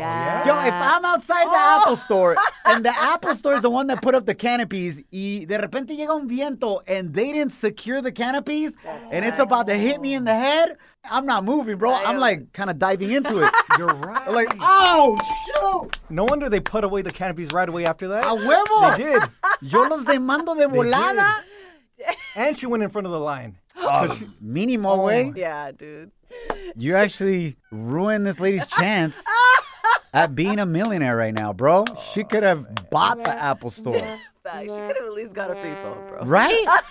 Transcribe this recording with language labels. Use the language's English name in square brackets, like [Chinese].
[English] Yeah. Yo, if I'm outside the Apple store and the Apple store is the one that put up the canopies, [Spanish] y de repente llega un viento [English] and they didn't secure the canopies it's about to hit me in the head, I'm not moving, bro. I'm like kind of diving into it. You're right. I'm like, oh, shoot. No wonder they put away the canopies right away after that. [Spanish] A huevo. [English] They did. [Spanish] Yo los demando de volada. [English] And she went in front of the line. Minimo way. Yeah, dude. You actually ruined this lady's chance at being a millionaire right now, bro. She could have bought the Apple store. She could have at least got a free phone, bro. Right?